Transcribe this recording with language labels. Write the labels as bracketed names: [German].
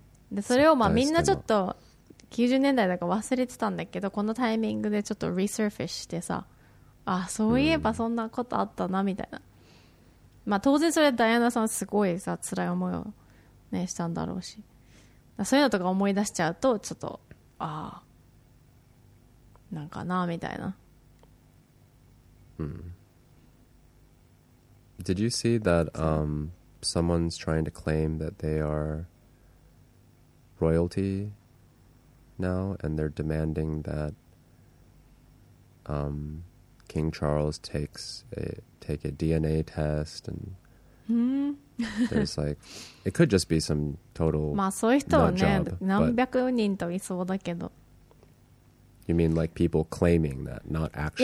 [Japanese] で、それをまあみんなちょっと90年代だから忘れてたんだけど、このタイミングでちょっとリサーフィッシュしてさ。あ、そういえばそんなことあったなみたいな、うん、まあ当然それダイアナさんすごいさ辛い思いをねしたんだろうし、そういうのとか思い出しちゃうとちょっとあなんかなみたいな、 [English] うん、Did you see that someone's trying to claim that they are royalty now and they're demanding that King Charles take a DNA test and there's like it could just be some total [Japanese] まあそういう人はね何百人といそうだけど、 [English] You mean like people claiming that, not actually?